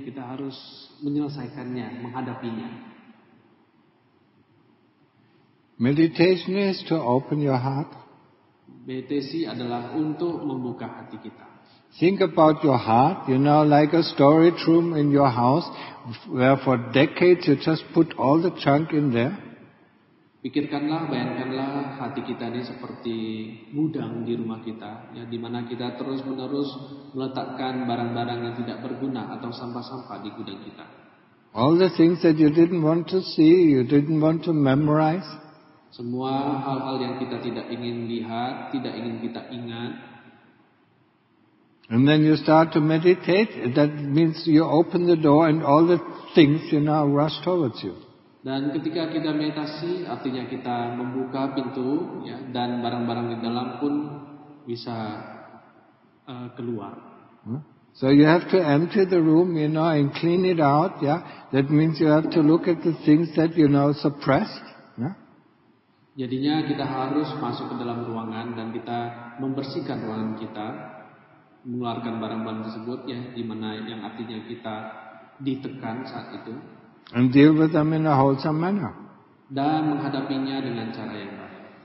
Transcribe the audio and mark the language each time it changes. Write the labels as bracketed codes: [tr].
[id] Kita harus menyelesaikannya, menghadapinya. [en] Meditation is to open your heart. [id] Meditasi adalah untuk membuka hati kita. [en] Think about your heart, you know, like a storage room in your house, where for decades you just put all the junk in there. [id] Pikirkanlah, bayangkanlah hati kita ini seperti gudang di rumah kita, ya, di mana kita terus-menerus meletakkan barang-barang yang tidak berguna atau sampah-sampah di gudang kita. [en] All the things that you didn't want to see, you didn't want to memorize. [id] Semua hal-hal yang kita tidak ingin lihat, tidak ingin kita ingat. [en] And then you start to meditate. That means you open the door and all the things you now rush towards you. [id] Dan ketika kita meditasi, artinya kita membuka pintu, ya, dan barang-barang di dalam pun bisa keluar. [en] So you have to empty the room, you know, and clean it out, yeah. That means you have to look at the things that you know suppressed. Yeah? [id] Jadinya kita harus masuk ke dalam ruangan dan kita membersihkan ruangan kita, mengeluarkan barang-barang tersebut, ya, di mana yang artinya kita ditekan saat itu. [en] And deal with them in a wholesome manner. [id] Dan menghadapinya dengan cara yang baik.